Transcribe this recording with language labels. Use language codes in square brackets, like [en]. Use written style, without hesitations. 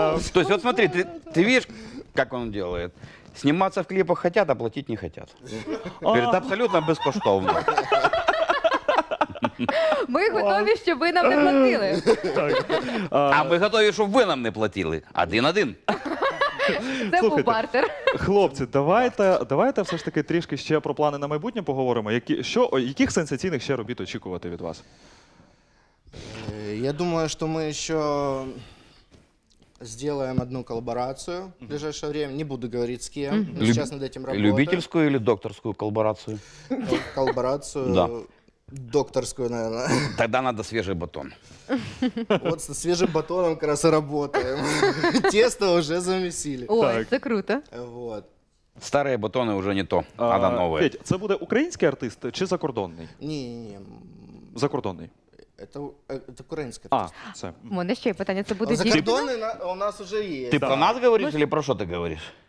[ru] То есть, вот смотри, ты видишь, как он делает? Сниматься в клипах хотят, а платить не хотят. Говорит, абсолютно безкоштовно. [uk] Ми готові, щоб ви нам не платили. А ми готові, щоб ви нам не платили. Один-один. Це був бартер. Хлопці, давайте все ж таки трішки ще про плани на майбутнє поговоримо. Яких сенсаційних ще робіт очікувати від вас? Я думаю, що ми ще зробимо одну колаборацію [ru] в ближайшее время. [uk] Не буду говорити з ким. Зараз над цим працюю. Любительську або докторську колаборацію? [ru] Колаборацію? Докторскую, наверное. Тогда надо свежий батон. Вот с свежим батоном как раз и работаем. Тесто уже замесили. О, это круто. Вот. Старые батоны уже не то, надо новые. Федь, это будет украинский артист или закордонный? Не. Закордонный. Это украинский артист. А, это. [uk] Мене ще питання, це буде дійсно? Закордонний у нас уже є. Ти про нас говориш или про що ти говориш?